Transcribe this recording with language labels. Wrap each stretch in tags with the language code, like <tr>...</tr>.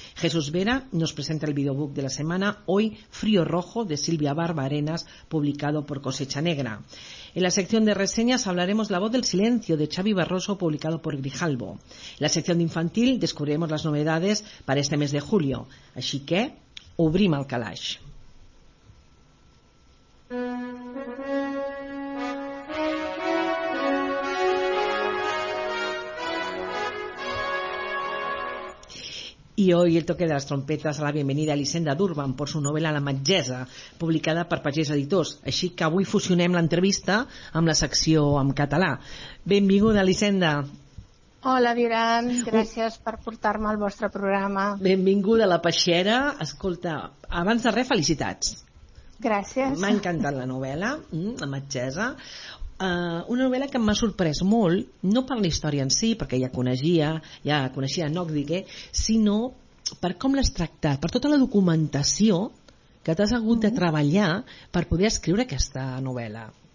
<es>Jesús Vera nos presenta el videobook de la semana, hoy Frío Rojo, de Silvia Barba Arenas, publicado por Cosecha Negra. En la sección de reseñas hablaremos La voz del silencio, de Xavi Barroso, publicado por Grijalbo. En la sección de infantil descubriremos las novedades para este mes de julio.</es> <ca>Així que, obrim el calaix.</ca> <es>Y hoy el toque de las trompetas a la bienvenida a Elisenda Durban por su novela La Metgessa,</es> <ca>publicada per Pagès Editors. Així que avui fusionem l'entrevista amb la secció en català. Benvinguda, Elisenda. Hola, Violant. Gràcies per portar-me al vostre programa. Benvinguda a la peixera. Escolta, abans de res, felicitats. Gràcies. M'ha encantat la novel·la, La Metgessa. Una novel·la que m'ha sorprès molt, no per la història en si, perquè ja coneixia Nogdige, sinó per com l'has tractat, per tota la documentació que t'has hagut de treballar per poder escriure aquesta novel·la.</ca>